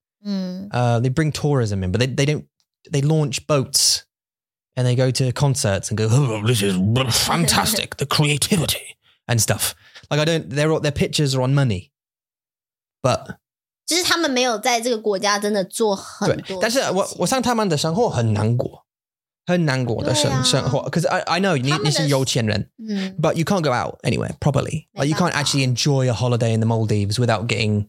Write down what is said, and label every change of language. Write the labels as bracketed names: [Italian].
[English] They bring tourism in, but they launch boats and they go to concerts and go, oh, this is fantastic, the creativity and stuff. Like their pictures are on money. But [Chinese] 就是他们没有在这个国家真的做很多事情。但是我上他们的生活很难过。很难过的生活。 [English] Because I know [Chinese] 你是有钱人, [English] but you can't go out anywhere, properly. Like you can't actually enjoy a holiday in the Maldives without getting